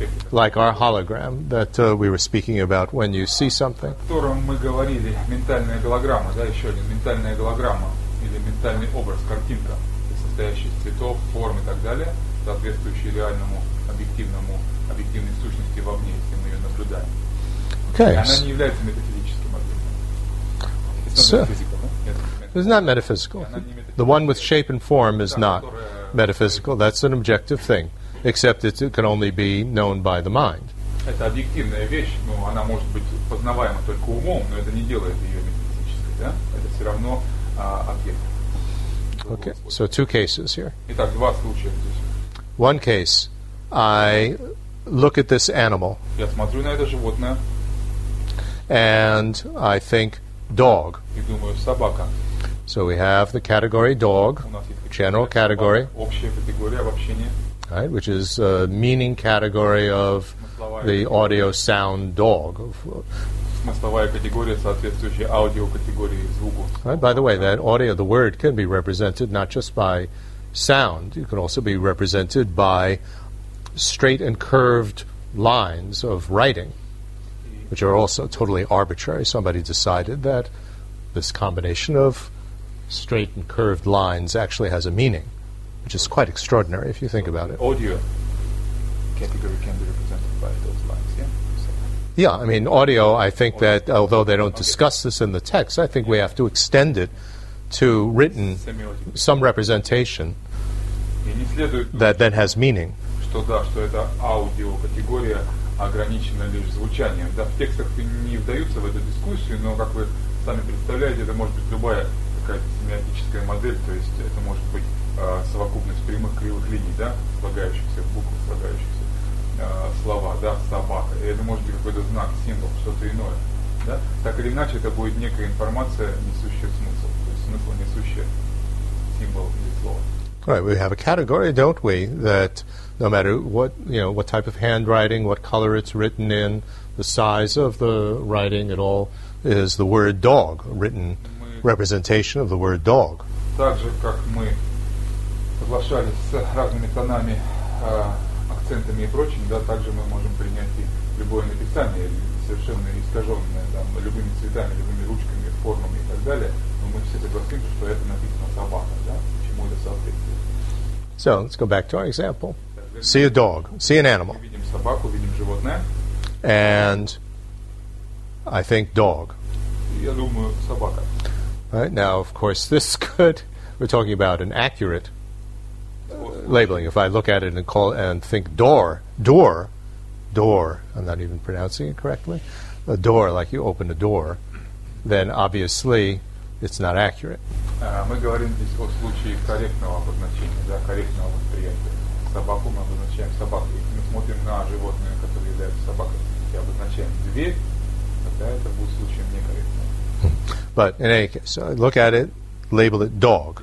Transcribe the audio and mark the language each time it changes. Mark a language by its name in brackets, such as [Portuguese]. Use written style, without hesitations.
[English] Like our hologram that we were speaking about when you see something. [Russian] О котором мы говорили, ментальная голограмма, да, еще один, ментальная голограмма, или ментальный образ, картинка, состоящая из цветов, форм и так далее. Соответствующей реальному объективному объективной сущности вовне, если мы ее наблюдаем. [English] Okay. [Russian] Она не является метафизическим объектом. [English] It's not metaphysical. The one with shape and form is not metaphysical. That's an objective thing, except it can only be known by the mind. [Russian] Это объективная вещь, но она может быть познаваема только умом, но это не делает ее метафизической, да? Это все равно объект. [English] Okay. So two cases here. [Russian] Итак, два случая здесь. [English] One case, I look at this animal, [Russian] я смотрю на это животное, [English] and I think dog. [Russian] И думаю, собака. [English] So we have the category dog, general category, [Russian] собака, общая категория в общении, [English] right, which is a meaning category of the audio sound dog. [Russian] Смысловая категория, соответствующая аудиокатегории звуку. [English] Right, by the way, that audio, the word can be represented not just by sound, you can also be represented by straight and curved lines of writing, which are also totally arbitrary. Somebody decided that this combination of straight and curved lines actually has a meaning, which is quite extraordinary if you think about it. Audio category can be represented by those lines, yeah? Yeah, I mean, audio, I think audio. That although they don't discuss this in the text, I think we have to extend it to written some representation that then has meaning. [Russian] Что да, что эта аудио категория ограничена лишь звучанием. Да, в текстах не вдаются в эту дискуссию, но как вы сами представляете, это может быть любая какая-то семиотическая модель, то есть это может быть совокупность прямых кривых линий, да, слагающихся букв, слагающихся слова, да, собака. И это может быть какой-то знак, символ, что-то иное. Да? Так или иначе, это будет некая информация, несущая смысл. То есть смысл, несущая символ или слово. [English] Right, we have a category, don't we, that no matter what, you know, what type of handwriting, what color it's written in, the size of the writing, it all is the word dog, written representation of the word dog. [Russian] Также, как мы соглашались с разными тонами, акцентами и прочим, да, также мы можем принять и любое написание, совершенно искаженное, там, любыми цветами, любыми ручками, формами и так далее, но мы все согласимся, что это написано собака, да, почему это соответствует. [English] So, let's go back to our example. See a dog. See an animal. [Russian] Видим собаку, видим животное. [English] And I think dog. [Russian] Я думаю, собака. [English] Right? Now, of course, this could... We're talking about an accurate labeling. If I look at it and call and think door, I'm not even pronouncing it correctly, a door, like you open a door, then obviously it's not accurate. [Russian] Мы говорим здесь о случае корректного обозначения, да, корректного восприятия. Собаку мы обозначаем собаку. Если мы смотрим на животное, которое является собакой, и обозначаем дверь, тогда это будет случаем некорректным. [English] But in any case, look at it, label it dog.